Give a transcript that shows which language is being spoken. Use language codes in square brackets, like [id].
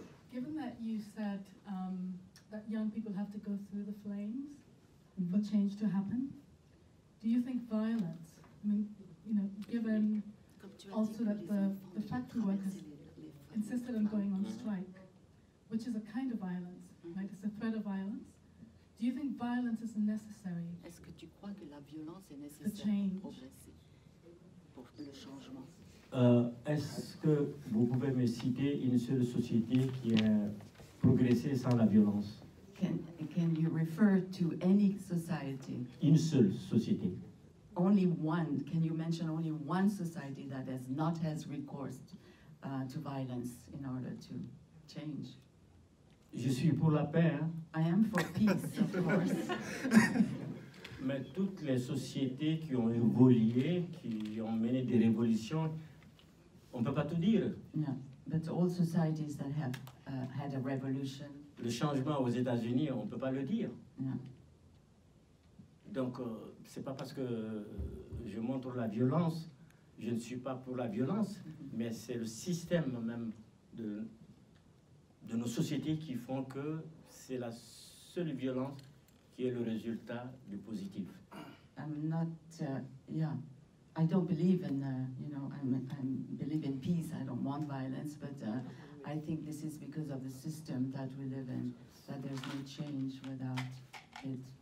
[en] Given that you said that young people have to go through the flames for change to happen, do you think violence? I mean, you know, given also that the factory workers insisted on going on strike, which is a kind of violence. Like it's a threat of violence. Do you think violence is necessary? [fr] Est-ce que tu crois que la violence est nécessaire pour progresser, pour le changement? Est-ce que vous pouvez me citer une seule société qui a progressé sans la violence? [en] Can you refer to any society? [fr] Une seule société. [en] Only one. Can you mention only one society that has not has recourse to violence in order to change? [fr] Je suis pour la paix. [en] I am for peace, of course. [fr] Mais toutes les sociétés qui ont évolué, qui ont mené des révolutions, on ne peut pas tout dire. [en] Yeah, but all societies that have had a revolution. [fr] Le changement aux États-Unis, on ne peut pas le dire. [en] Yeah. [fr] Donc, c'est pas parce que je montre la violence, je ne suis pas pour la violence, mais c'est le système même de nos sociétés qui font que c'est la seule violence qui est le résultat du positif. [en] I'm not, I don't believe in, I believe in peace, I don't want violence, but I think this is because of the system that we live in, that there's no change without it.